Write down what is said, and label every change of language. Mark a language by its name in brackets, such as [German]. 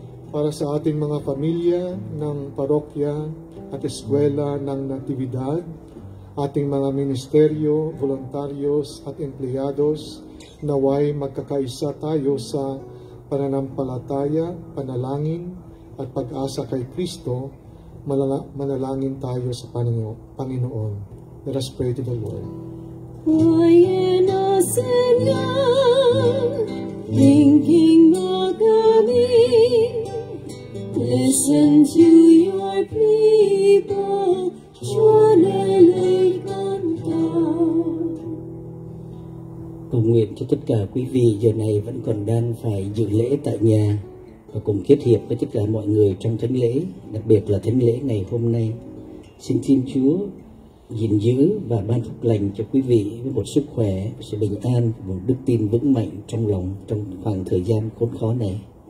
[Filipino] para sa ating mga pamilya ng parokya at eskwela ng Natividad, ating mga ministeryo, voluntarios at empleyados, naway magkakaisa tayo sa pananampalataya, panalangin at pag-asa kay Kristo, manalangin tayo sa Panginoon. [English] Let us pray to the Lord. Ayan na, Señor, thinking of me, listen to your people, chuanelei cantar. [Vietnamese] Cầu nguyện cho tất cả quý vị giờ này vẫn còn đang phải dự lễ tại nhà và cùng kết hiệp với tất cả mọi người trong thánh lễ, đặc biệt là thánh lễ ngày hôm nay. Xin Thiên Chúa gìn giữ và ban phúc lành cho quý vị với một sức khỏe, một sự bình an, một đức tin vững mạnh trong lòng trong khoảng thời gian khốn khó này.